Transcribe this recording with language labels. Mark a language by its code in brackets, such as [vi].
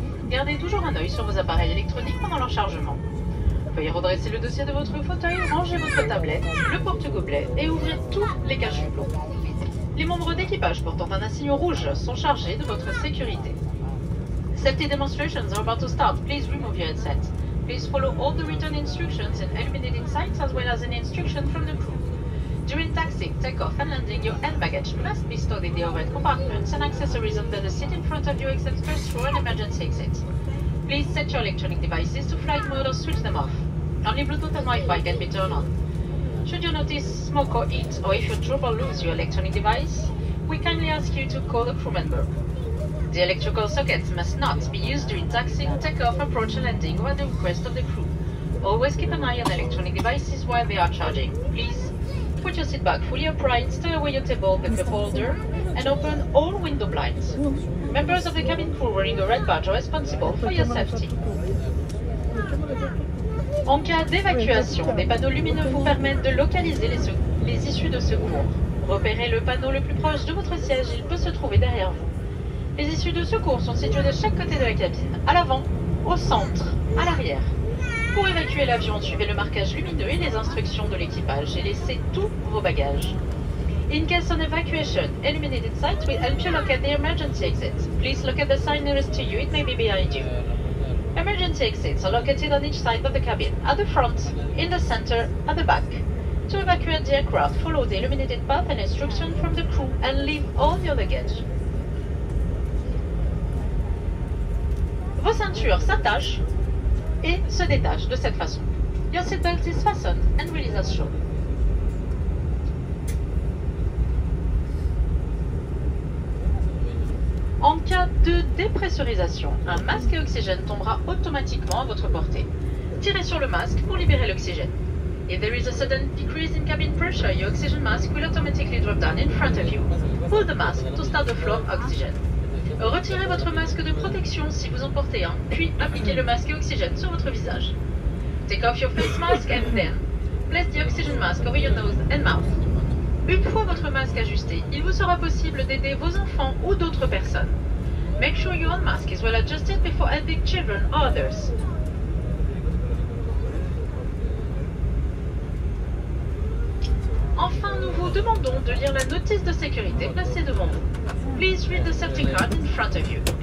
[fr] Gardez toujours un œil sur vos appareils électroniques pendant leur chargement. Veuillez redresser le dossier de votre fauteuil, ranger votre tablette, le porte-gobelet et ouvrir tous les cache-jupons. Les membres d'équipage portant un insigne rouge sont chargés de votre sécurité. [en] Safety demonstrations are about to start. Please remove your headset. Please follow all the written instructions and illuminated signs as well as an instruction from the crew. During taxi, takeoff and landing, your hand baggage must be stored in the overhead compartments and accessories under the seat in front of you except first for an emergency exit. Please set your electronic devices to flight mode or switch them off. Only Bluetooth and Wi-Fi can be turned on. Should you notice smoke or heat, or if you drop or lose your electronic device, we kindly ask you to call the crew member. The electrical sockets must not be used during taxiing, takeoff, approach and landing or at the request of the crew. Always keep an eye on electronic devices while they are charging. Please put your seat back fully upright, stow away your table, the cup holder and open all window blinds. Members of the cabin crew wearing a red badge are responsible for your safety. [fr] En cas d'évacuation, des panneaux lumineux vous permettent de localiser les issues de secours. Repérez le panneau le plus proche de votre siège, il peut se trouver derrière vous. Les issues de secours sont situées de chaque côté de la cabine, à l'avant, au centre, à l'arrière. Pour évacuer l'avion, suivez le marquage lumineux et les instructions de l'équipage et laissez tous vos bagages. [en] In case of evacuation, illuminated sights will help you locate the emergency exit. Please look at the sign nearest to you, it may be behind you. Emergency exits are located on each side of the cabin, at the front, in the center, at the back. To evacuate the aircraft, follow the illuminated path and instruction from the crew and leave all your baggage. [fr] Vos ceintures s'attachent et se détachent de cette façon. [en] Your seatbelt is fastened and release as shown. [fr] En cas de dépressurisation, un masque à oxygène tombera automatiquement à votre portée. Tirez sur le masque pour libérer l'oxygène. [en] If there is a sudden decrease in cabin pressure, your oxygen mask will automatically drop down in front of you. Pull the mask to start the flow of oxygen. [fr] Retirez votre masque de protection si vous en portez un, puis appliquez le masque à oxygène sur votre visage. [en] Take off your face mask and then place the oxygen mask over your nose and mouth. [fr] Une fois votre masque ajusté, il vous sera possible d'aider vos enfants ou d'autres personnes. [en] Make sure your own mask is well adjusted before helping children or others. [fr] Enfin, nous vous demandons de lire la notice de sécurité placée devant vous. [en] Please read the safety card in front of you.